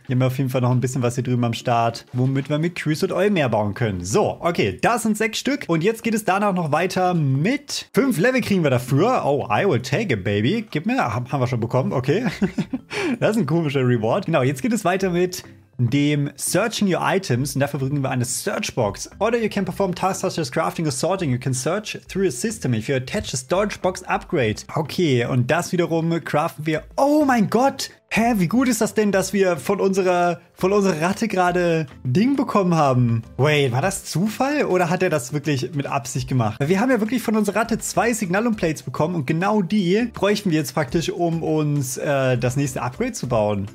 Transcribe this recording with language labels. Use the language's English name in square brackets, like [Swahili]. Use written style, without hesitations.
[German] Hier haben wir auf jeden Fall noch ein bisschen was hier drüben am Start, womit wir mit Crystal Oil mehr bauen können. So, okay, das sind 6 Stück. Und jetzt geht es danach noch weiter mit 5 Level kriegen wir dafür. [English] Oh, I will take it, baby. [German] Gib mir, haben wir schon bekommen. Okay, das ist ein komischer Reward. Genau, jetzt geht es weiter mit dem Searching Your Items, und dafür bringen wir eine Searchbox. [English] Oder you can perform tasks such as crafting or sorting. You can search through a system if you attach a storage box upgrade. [German] Okay, und das wiederum craften wir. Oh mein Gott! Hä, wie gut ist das denn, dass wir von unserer Ratte gerade Ding bekommen haben? Wait, war das Zufall oder hat er das wirklich mit Absicht gemacht? Wir haben ja wirklich von unserer Ratte 2 Signalum-Plates bekommen und genau die bräuchten wir jetzt praktisch, um uns das nächste Upgrade zu bauen.